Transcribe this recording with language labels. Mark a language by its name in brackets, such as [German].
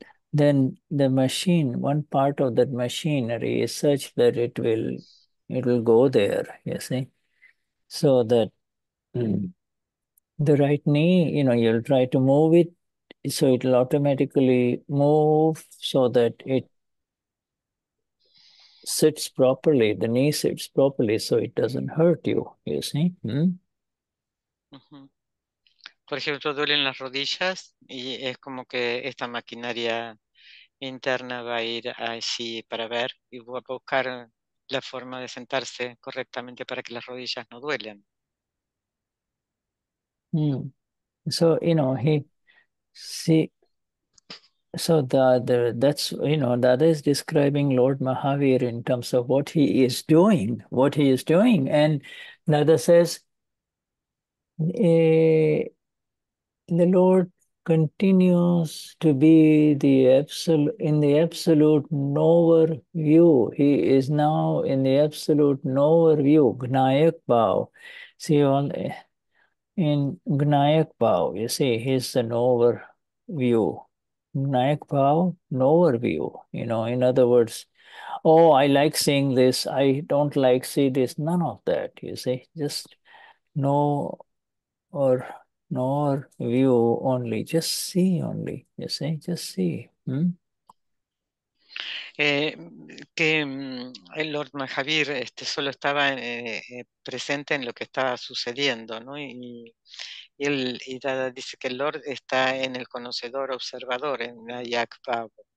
[English] Then the machine, one part of that machinery is such that it will go there, you see, so that the right knee, you know, you'll try to move it, so it'll automatically move so that it sits properly, the knee sits properly, so it doesn't hurt you, you see. [Spanish] Por ejemplo, duelen las rodillas y es como que esta maquinaria interna va a ir así para ver y va a buscar la forma de sentarse correctamente para que las rodillas no duelen. [English] So, you know, that's, you know, that is describing Lord Mahavir in terms of what he is doing, and Nada says, the Lord continues to be the absolute, in the absolute knower view. He is now in the absolute knower view, Gnayak-Bhav. See, all in Gnayak-Bhav, you see, he's the knower view. Gnayak-Bhav, knower view. You know, in other words, oh, I like seeing this, I don't like see this, none of that, you see, just know or. Nor view only, just see only, you say, just see. [Spanish] Que el Lord Mahavir solo estaba presente en lo que estaba sucediendo, ¿no? Y Dada dice que el Lord está en el conocedor observador, en Gnayak-Bhav.